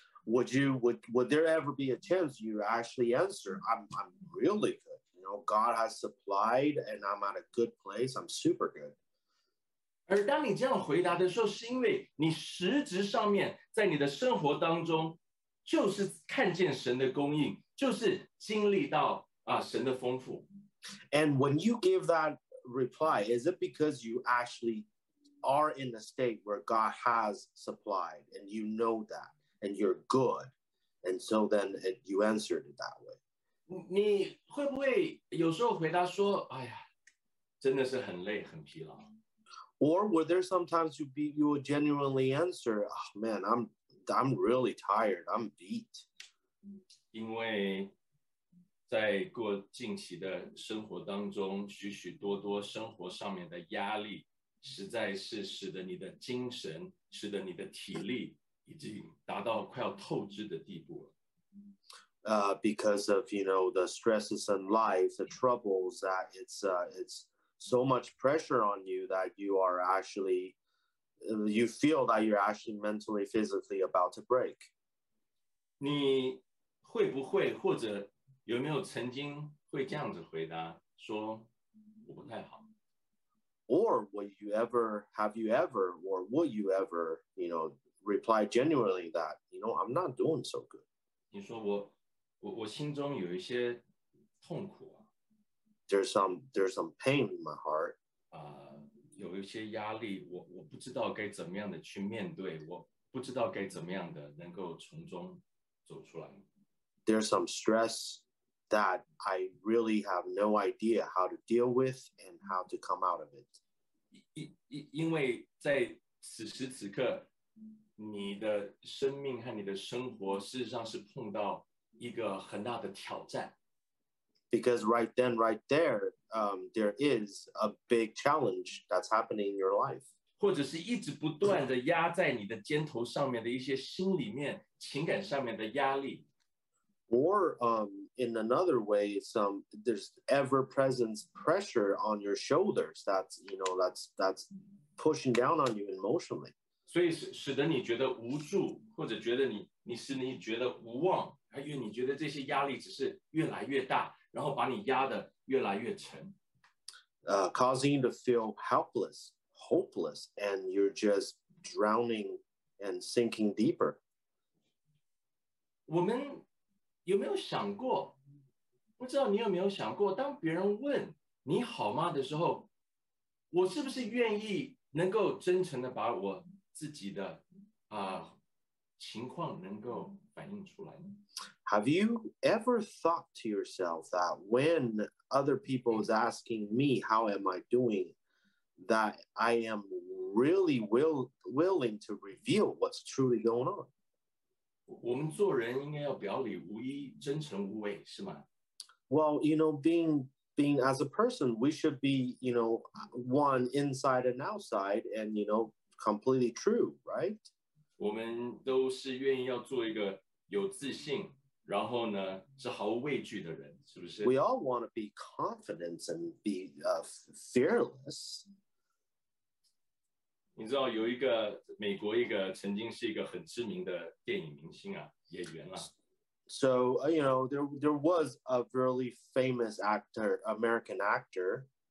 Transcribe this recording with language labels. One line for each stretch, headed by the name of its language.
English: Would there ever be a chance you actually answer, I'm really good. You know, God has supplied and I'm at a good place. I'm super good.
Chinese: 而当你这样回答的时候，是因为你实质上面在你的生活当中，就是看见神的供应，就是经历到神的丰富。
English: And when you give that reply, is it because you actually are in a state where God has supplied and you know that? And you're good. And so then you answered it that way.
Chinese: 你会不会有时候回答说，哎呀，真的是很累，很疲劳。
English: Or were there sometimes you would genuinely answer, oh man, I'm really tired, I'm beat.
Chinese: 因为在过近期的生活当中，许许多多生活上面的压力，实在是使得你的精神，使得你的体力已经达到快要透支的地步了。
English: Because of, you know, the stresses in life, the troubles, that it's so much pressure on you that you are actually, you feel that you're actually mentally, physically about to break.
Chinese: 你会不会或者有没有曾经会这样子回答说我不太好？
English: Or would you ever, you know,reply genuinely that, you know, I'm not doing so good.
Chinese: 你说我心中有一些痛苦啊。
English: There's some pain in my heart.
Chinese: 有一些压力，我不知道该怎么样的去面对，我不知道该怎么样的能够从中走出来。
English: There's some stress that I really have no idea how to deal with and how to come out of it.
Chinese: 因为在此时此刻，你的生命和你的生活事实上是碰到一个很大的挑战。
English: Because right then, right there, there is a big challenge that's happening in your life.
Chinese: 或者是一直不断的压在你的肩头上面的一些心里面、情感上面的压力。
English: Or in another way, there's ever-present pressure on your shoulders that's, you know, that's pushing down on you emotionally.
Chinese: 所以使得你觉得无助，或者觉得你使你觉得无望，因为你觉得这些压力只是越来越大，然后把你压得越来越沉。
English: Causing you to feel helpless, hopeless, and you're just drowning and sinking deeper.
Chinese: 我们有没有想过，不知道你有没有想过，当别人问你好吗的时候，我是不是愿意能够真诚的把我自己的情况能够反映出来呢？
English: Have you ever thought to yourself that when other people is asking me how am I doing, that I am really willing to reveal what's truly going on?
Chinese: 我们做人应该要表里无一，真诚无伪，是吗？
English: Well, you know, being as a person, we should be, you know, one inside and outside, and you know,completely true, right?
Chinese: 我们都是愿意要做一个有自信，然后呢是毫无畏惧的人，是不是？
English: We all want to be confident and be fearless.
Chinese: 你知道有一个美国一个曾经是一个很知名的电影明星啊，演员啊。
English: So, you know, there was a really famous actor, American actor.